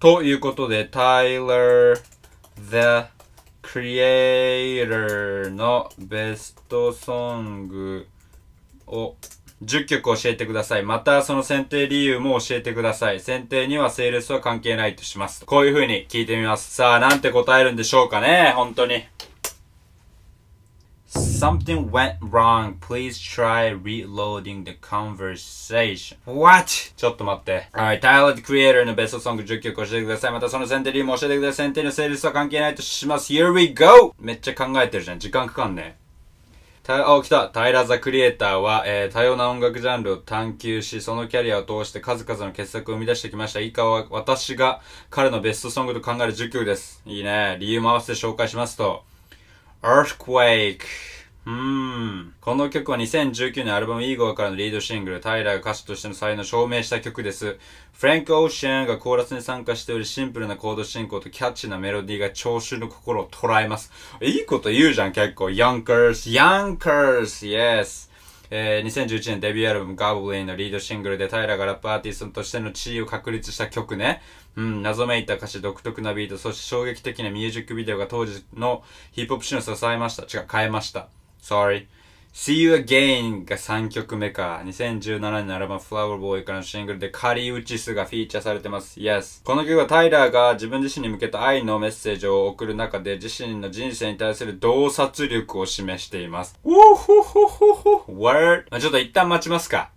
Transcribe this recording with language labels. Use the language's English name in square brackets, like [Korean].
[Japanese] ということで、タイラー The Creator のベストソングを10曲教えてください。またその選定理由も教えてください。選定にはセールスは関係ないとします。こういう風に聞いてみます。さあ、なんて答えるんでしょうかね、本当に。 [English] Something went wrong. Please try reloading the conversation. [Japanese] What? ちょっと待って。はい。 Tyler the Creator のベストソング10曲教えてください。またその選定理由も教えてください。選定のセールスは関係ないとします。 [English] Here we go! [Japanese] めっちゃ考えてるじゃん。時間かかんね。あ、来た。タイラーザクリエイターは、多様な音楽ジャンルを探求し、そのキャリアを通して数々の傑作を生み出してきました。以下は私が彼のベストソングと考える10曲です。いいね。理由も合わせて紹介しますと。 Earthquake。この曲は2019年アルバムイーゴーからのリードシングル、タイラーが歌手としての才能を証明した曲です。フランク・オーシャンがコーラスに参加しており、シンプルなコード進行とキャッチなメロディーが聴衆の心を捉えます。いいこと言うじゃん、結構。 [English] Yonkers! Yes! [Japanese] 2011年デビューアルバム Goblin のリードシングルで、タイラーがラップアーティストとしての地位を確立した曲ね。謎めいた歌詞、独特なビート、そして衝撃的なミュージックビデオが当時のヒップホップシーンを支えました。違う、変えました。Sorry. See You Again が3曲目か。 2017年のアルバム Flower Boy からのシングルで、カリウチスがフィーチャーされてます。 [English] Yes. [Japanese] この曲はタイラーが自分自身に向けた愛のメッセージを送る中で、自身の人生に対する洞察力を示しています。ウォーホホホホホ !Word! まぁちょっと一旦待ちますか。